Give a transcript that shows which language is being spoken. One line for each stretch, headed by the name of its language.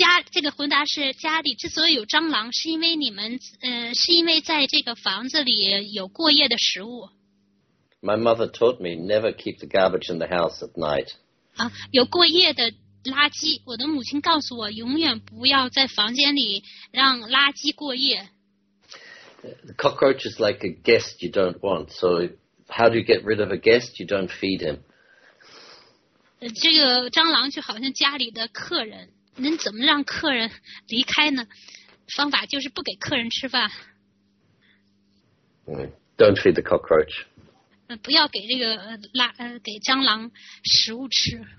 Chinese: 这个回答是家里之所以有蟑螂，是因为你们是因为在这个房子里有过夜的食物。
English: My mother taught me never keep the garbage in the house at night.
Chinese: 有过夜的垃圾，我的母亲告诉我永远不要在房间里让垃圾过夜。
English: The cockroach is like a guest you don't want. So how do you get rid of a guest? You don't feed him.
Chinese: 这个蟑螂就好像家里的客人。您怎么让客人离开呢？方法就是不给客人吃饭。
English: Don't feed the cockroach.
Chinese: 不要给这个给蟑螂食物吃。